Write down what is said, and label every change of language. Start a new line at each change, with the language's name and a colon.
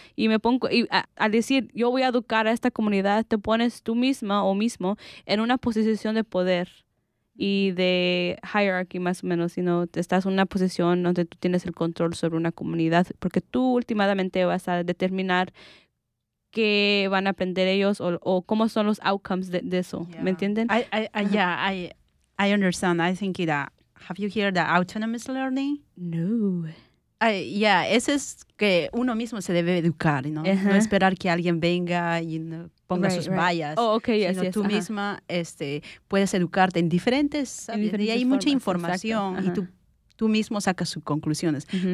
Spanish: Y me pongo, al decir, yo voy a educar a esta comunidad, te pones tú misma o mismo en una posición de poder y de hierarchy, más o menos, sino estás en una posición donde tú tienes el control sobre una comunidad, porque tú últimamente vas a determinar qué van a aprender ellos o cómo son los outcomes de eso, yeah. ¿Me entienden?
English: I understand. I think that, have you heard that autonomous learning? No.
Spanish: Eso es que uno mismo se debe educar, ¿no? Uh-huh. No esperar que alguien venga y ponga sus vallas.
English: Oh, okay, yes,
Spanish: sino
English: yes,
Spanish: tú misma puedes educarte en diferentes, y hay mucha información, y tú mismo sacas sus conclusiones. Uh-huh.